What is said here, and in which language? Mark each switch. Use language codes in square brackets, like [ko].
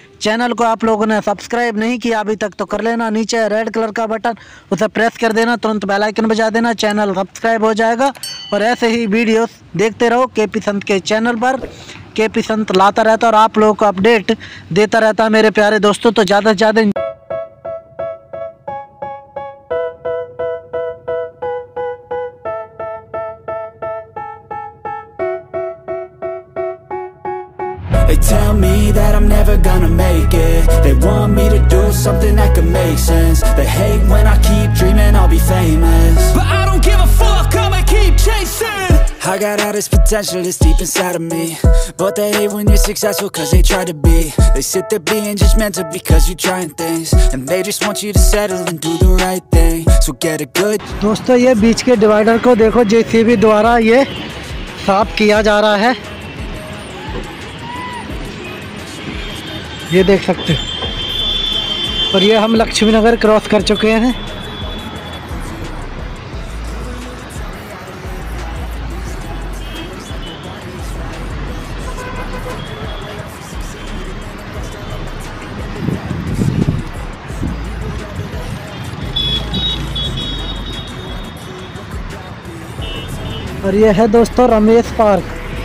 [hi] Channel को आप लोगों ने सब्सक्राइब नहीं किया अभी तक तो कर लेना, नीचे रेड कलर का बटन उसे प्रेस कर देना, तुरंत बेल आइकन बजा देना, चैनल सब्सक्राइब हो जाएगा। और ऐसे ही वीडियोस देखते रहो केपी संत के चैनल पर, केपी संत लाता रहता और आप लोगों को अपडेट देता रहता है मेरे प्यारे दोस्तों। तो ज़्यादा से ज़्यादा [en] tell me that I'm never gonna make it. They want me to do something that could make sense. They hate when I keep dreaming I'll be famous, but I don't give a fuck, I'ma keep chasing. I got all this potential that's deep inside of me, but they hate when you're successful cause they try to be. They sit there being judgmental because you're trying things, and they just want you to settle and do the right thing. So get a good. [hi] दोस्तों ये बीच के divider को देखो, JCB द्वारा ये साफ किया जा रहा है, ये देख सकते हैं। और ये हम लक्ष्मी नगर क्रॉस कर चुके हैं, और ये है दोस्तों रमेश पार्क।